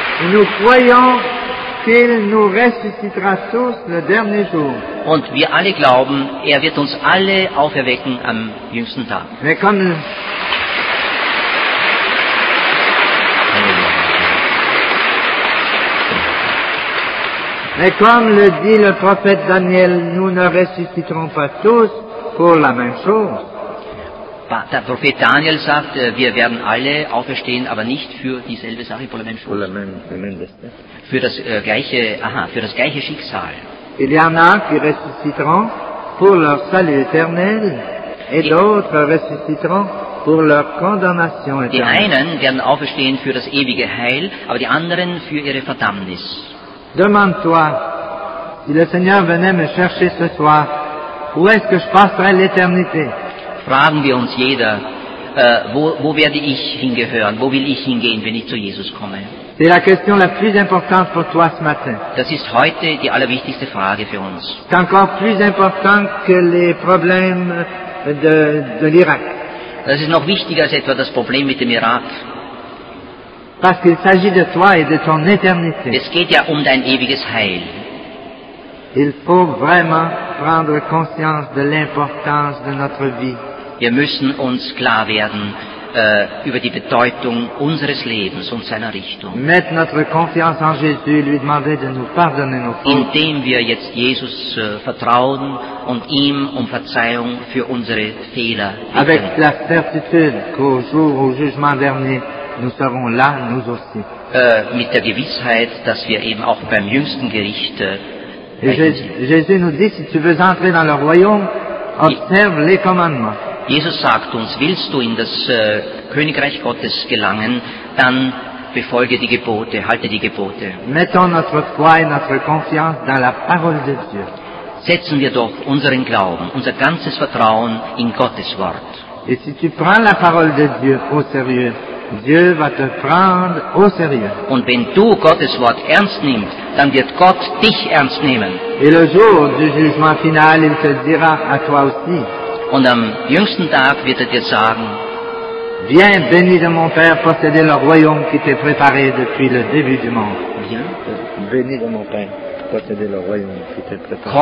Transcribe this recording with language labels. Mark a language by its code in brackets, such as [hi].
[fr] Nous croyons qu'il nous ressuscitera tous le dernier jour. [de] Und wir alle glauben, er wird uns alle auferwecken am jüngsten Tag. Willkommen. [fr] Mais comme le dit le prophète Daniel, nous ne ressusciterons pas tous pour la même chose. [de] Der Prophet Daniel sagt, wir werden alle auferstehen, aber nicht für dieselbe Sache, [fr] pour la même chose. [de] Für das gleiche Schicksal. [fr] Il y en a qui ressusciteront pour leur salut éternel et d'autres ressusciteront pour leur condamnation éternelle. [de] Die einen werden auferstehen für das ewige Heil, aber die anderen für ihre Verdammnis. [fr] Demande-toi, si le Seigneur venait me chercher ce soir, où est-ce que je passerai l'éternité? [de] Fragen wir uns jeder, wo werde ich hingehören, wo will ich hingehen, wenn ich zu Jesus komme? [fr] C'est la question la plus importante pour toi ce matin. [de] Das ist heute die allerwichtigste Frage für uns. [fr] C'est encore plus important que les problèmes de l'Irak. [de] Das ist noch wichtiger als etwa das Problem mit dem Irak. [fr] Parce qu'il s'agit de toi et de ton éternité. [de] Es geht ja um dein ewiges Heil. [fr] Il faut vraiment prendre conscience de l'importance de notre vie. [de] Wir müssen uns klar werden, über die Bedeutung unseres Lebens und seiner Richtung. [fr] Mettre notre confiance en Jésus, lui demander de nous pardonner nos fautes. [de] Indem wir jetzt Jesus vertrauen und ihm um Verzeihung für unsere Fehler bitten. [fr] Avec la certitude qu'au jour au jugement dernier, nous serons là, nous aussi. [de] Mit der Gewissheit, dass wir eben auch beim jüngsten Gericht [fr] Jésus nous dit, si tu veux entrer dans le royaume, observe les commandements. [de] Jesus sagt uns, willst du in das Königreich Gottes gelangen, dann befolge die Gebote, halte die Gebote. [fr] Mettons notre foi et notre confiance dans la parole de Dieu. [de] Setzen wir doch unseren Glauben, unser ganzes Vertrauen in Gottes Wort. [fr] Et si tu prends la parole de Dieu au sérieux, Dieu va te prendre au sérieux. [de] Und wenn du Gottes Wort ernst nimmst, dann wird Gott dich ernst nehmen. [fr] Et le jour du jugement final, il te dira à toi aussi. [de] Und am jüngsten Tag wird dir sagen, [fr] Viens, béni de mon Père, posséder le royaume qui t'est préparé depuis le début du monde. Béni de mon Père, posséder le royaume qui t'est préparé.